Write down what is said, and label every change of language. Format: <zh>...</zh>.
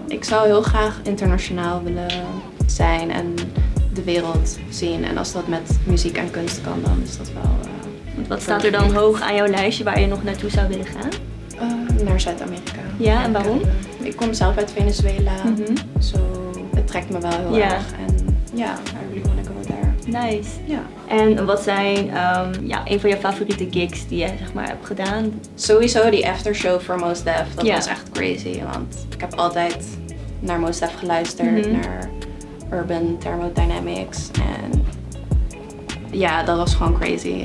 <nl>Ik zou heel graag internationaal willen zijn en de wereld zien. En als dat met muziek en kunst kan, dan is dat wel... Wat staat er dan hoog aan jouw lijstje waar je nog naartoe zou willen gaan? Naar Zuid-Amerika. Ja, en waarom? Ik kom zelf uit Venezuela, zo het trekt me wel heel erg. En ja,</nl> <en>I really wanna go there. Nice.</en> <nl>Ja. En wat zijn een van je favoriete gigs die je zeg maar hebt gedaan? Sowieso die aftershow voor Mos Def, dat was echt crazy. Want ik heb altijd naar Mos Def geluisterd, naar Urban Thermodynamics. En ja, dat was gewoon crazy.</nl>